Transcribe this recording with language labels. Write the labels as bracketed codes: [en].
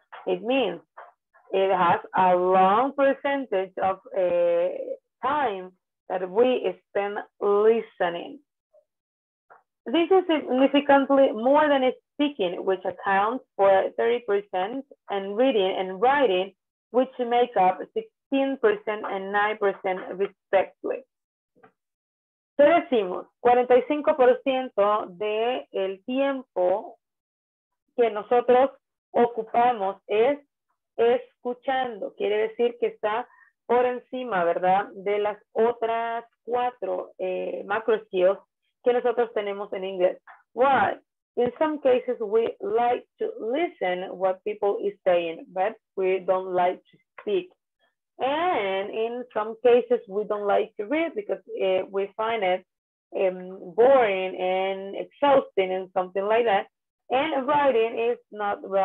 [en] It means it has a long percentage of time that we spend listening. This is significantly more than speaking, which accounts for 30%, and reading and writing, which make up 16% and 9% respectively. [es] So decimos, 45% del tiempo que nosotros ocupamos es escuchando. Quiere decir que está por encima, ¿verdad?, de las otras cuatro macro skills que nosotros tenemos en inglés. [en] Why? In some cases, we like to listen what people is saying, but we don't like to speak. And in some cases, we don't like to read because we find it boring and exhausting and something like that. And writing is not